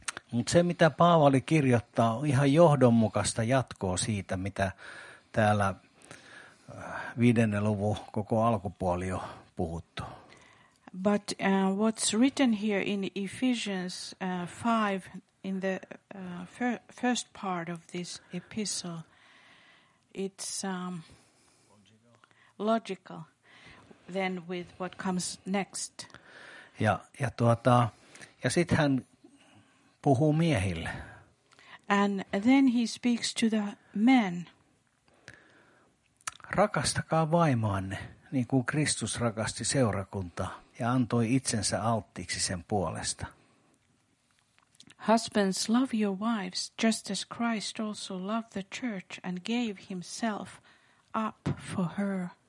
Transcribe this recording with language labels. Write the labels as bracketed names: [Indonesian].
[Finnish] Mutta se, mitä Paavali kirjoittaa, on ihan johdonmukaista jatkoa siitä, mitä täällä viidennen luvun koko alkupuoli on puhuttu. [English] But what's written here in Ephesians 5, in the first part of this epistle, it's logical then with what comes next. [Finnish] Ja sitten hän puhuu miehille. [English] And then he speaks to the men. [Finnish] Rakastakaa vaimoanne niin kuin Kristus rakasti seurakuntaa ja antoi itsensä alttiiksi sen puolesta. [English] Husbands, love your wives just as Christ also loved the church and gave himself up for her.